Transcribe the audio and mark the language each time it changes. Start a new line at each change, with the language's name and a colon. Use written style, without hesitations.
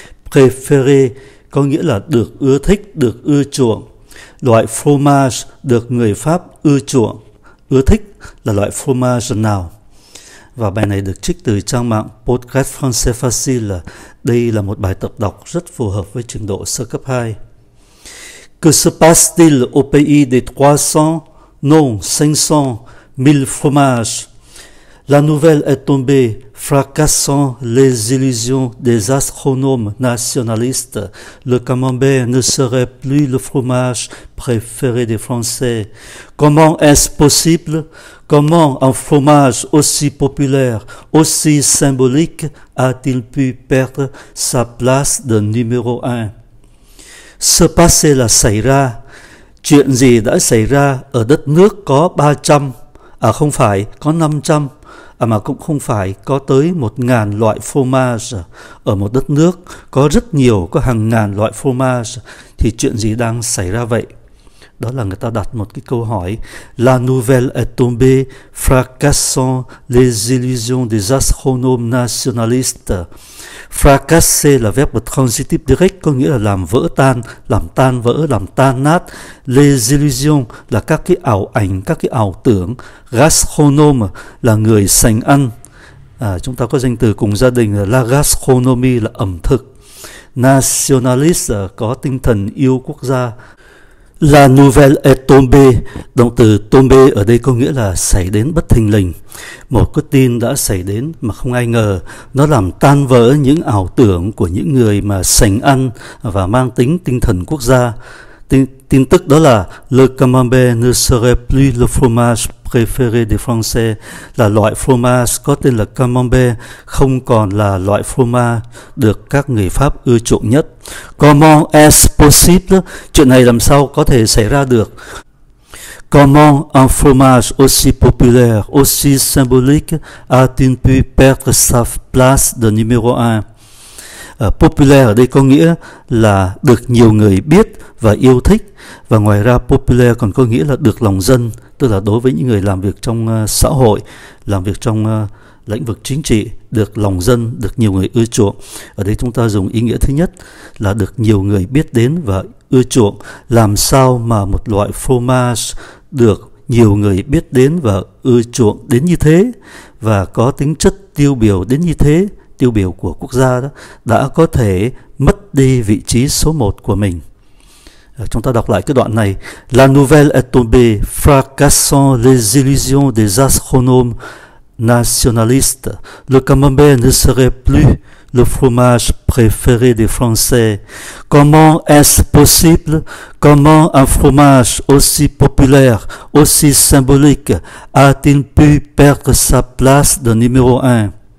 Vietnamese: Préféré có nghĩa là được ưa thích, được ưa chuộng. Loại fromage được người Pháp ưa chuộng, ưa thích là loại fromage nào? Và bài này được trích từ trang mạng Podcast Français Facile. Đây là một bài tập đọc rất phù hợp với trình độ sơ cấp 2.
French: Que se passe-t-il au pays des 300? Non, 500. 1000 fromages. La nouvelle est tombée, fracassant les illusions des astronomes nationalistes. Le camembert ne serait plus le fromage préféré des Français. Comment est-ce possible? Comment un fromage aussi populaire, aussi symbolique, a-t-il pu perdre sa place de numéro 1? Se passer la saïra.
Vietnamese: Chuyện gì đã xảy ra ở đất nước có 300? À không phải, có 500, à mà cũng không phải, có tới 1000 loại fromage. Ở một đất nước có rất nhiều, có hàng ngàn loại fromage, thì chuyện gì đang xảy ra vậy? Đó là người ta đặt một cái câu hỏi.
French: La nouvelle est tombée, fracassant les illusions des astronomes nationalistes.
Vietnamese: Fracasser là verbe transitif direct, có nghĩa là làm vỡ tan, làm tan vỡ, làm tan nát. Les illusions là các cái ảo ảnh, các cái ảo tưởng. Gastronome là người sành ăn. Chúng ta có danh từ cùng gia đình là la gastronomie, là ẩm thực. Nationalist có tinh thần yêu quốc gia.
French: La nouvelle est tombée,
Vietnamese: động từ tombé ở đây có nghĩa là xảy đến bất thình lình. Một cái tin đã xảy đến mà không ai ngờ, nó làm tan vỡ những ảo tưởng của những người mà sành ăn và mang tính tinh thần quốc gia. Tin tức đó là
French: le camembert ne serait plus le fromage préféré des Français,
Vietnamese: là loại fromage có tên là camembert không còn là loại fromage được các người Pháp ưa chuộng nhất.
French: Comment est-ce possible?
Vietnamese: Chuyện này làm sao có thể xảy ra được?
French: Comment un fromage aussi populaire, aussi symbolique a-t-il pu perdre sa place de numéro 1?
Vietnamese: Populaire ở đây có nghĩa là được nhiều người biết và yêu thích. Và ngoài ra populaire còn có nghĩa là được lòng dân, tức là đối với những người làm việc trong xã hội, làm việc trong lĩnh vực chính trị, được lòng dân, được nhiều người ưa chuộng. Ở đây chúng ta dùng ý nghĩa thứ nhất là được nhiều người biết đến và ưa chuộng. Làm sao mà một loại fromage được nhiều người biết đến và ưa chuộng đến như thế, và có tính chất tiêu biểu đến như thế, tiêu biểu của quốc gia đó, đã có thể mất đi vị trí số 1 của mình. Chúng ta đọc lại cái đoạn này.
French: La nouvelle est tombée, fracassant les illusions des astronomes nationalistes. Le camembert ne serait plus le fromage préféré des Français. Comment est-ce possible? Comment un fromage aussi populaire, aussi symbolique, a-t-il pu perdre sa place de numéro 1?